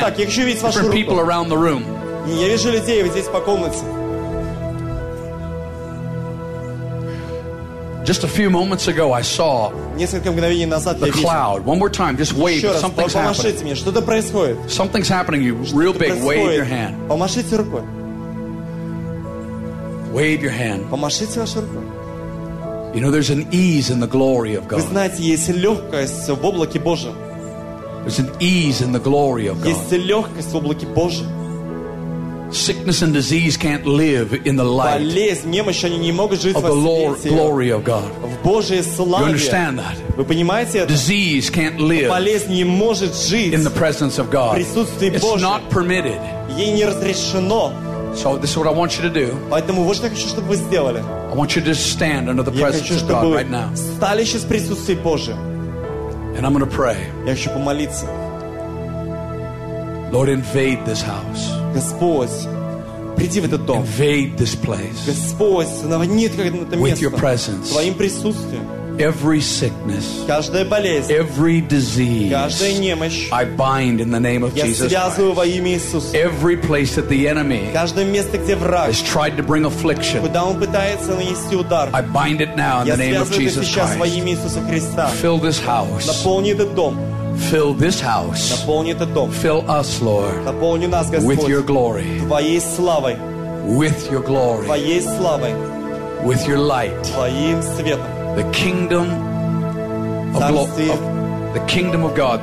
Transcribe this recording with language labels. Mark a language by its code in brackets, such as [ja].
[ru] Вот так, я хочу видеть вашу руку. [en] Different people around the room. [ru] Я вижу людей вот здесь по комнате. [en] Just a few moments ago, I saw the cloud. One more time, just wave. Something's happening. Something's happening. You real big. Wave your hand. [ru] Помашите рукой. [en] Wave your hand. [ru] Помашите вашу руку. [en] You know, there's an ease in the glory of God. [ru] Вы знаете, есть легкость в облаке Божьем. [en] There's an ease in the glory of God. [ru] Есть легкость в облаке Божьем. [en] Sickness and disease can't live in the light. [ru] Болезнь, немощь, они не могут жить [en] of the Lord, glory of God. [ru] В Божьей славе. [en] You understand that? [ru] Вы понимаете это? [en] Disease can't live. [ru] Болезнь не может жить [en] in the presence of God. [ru] В присутствии Божьем. [en] It's not permitted. [ru] Ей не разрешено. [en] So this is what I want you to do. [ru] Поэтому вот что я хочу, чтобы вы сделали. [en] I want you to stand under the presence of God right now. [ru] Встали сейчас в присутствии Божьем. [en] And I'm going to pray. [ru] Я хочу помолиться. [en] Lord, invade this house. [ru] Господь, приди в этот дом. [en] Invade this place. [ru] Господь, наводни это место. [en] With your presence. [ru] Твоим присутствием. [en] Every sickness. [ru] Каждая болезнь. [en] Every disease. [ru] Каждая немощь. [en] I bind in the name of Jesus Christ. [ru] Я связываю во имя Иисуса. [en] Every place that the enemy. [ru] Каждое место, где враг. [en] Has tried to bring affliction. [ru] Куда он пытается нанести удар. [en] I bind it now in the name of Jesus Christ. [ru] Я связываю это сейчас во имя Иисуса Христа. [en] Fill this house. [ru] Наполни этот дом. [en] Fill this house. [ru] Наполни этот дом. [en] Fill us, Lord. [ru] Наполни нас, Господь. [en] With your glory. [ru] Твоей славой. [en] With your glory. [ru] Твоей славой. [en] With your light. [ru] Твоим светом. [en] The kingdom of glory. The kingdom of God.